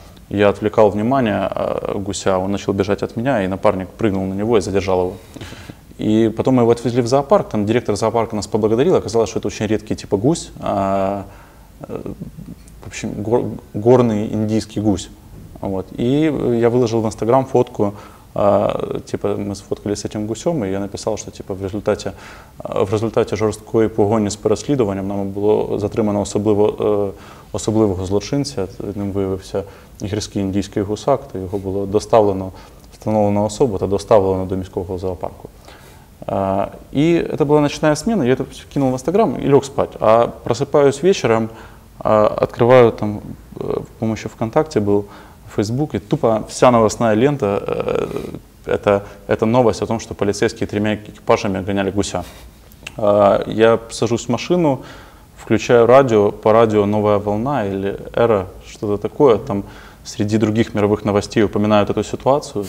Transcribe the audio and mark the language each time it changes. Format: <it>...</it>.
<ru>Я отвлекал внимание гуся, он начал бежать от меня, и напарник прыгнул на него и задержал его. И потом мы его отвезли в зоопарк, там директор зоопарка нас поблагодарил, оказалось, что это очень редкий типа гусь, в общем, горный индийский гусь. Вот. И я выложил в Инстаграм фотку, типа мы сфоткались с этим гусем, и я написал, что типа в результате</ru> <uk>жорсткої погони з переслідуванням нам було затримано особливого злочинця, ним виявився гірський індійський гусак, то його було доставлено, встановлено особу та доставлено до міського зоопарку. І це була нічна зміна, я це кинув в Інстаграм і ліг спати. А просипаюсь вечором, відкриваю там, по-моєму, ще ВКонтакте був, Facebook,</uk> <ru>и тупо вся новостная лента это новость о том, что полицейские 3 экипажами гоняли гуся. Я сажусь в машину, включаю радио, по радио «Новая волна» или «Эра», что-то такое, там среди других мировых новостей упоминают эту ситуацию.</ru>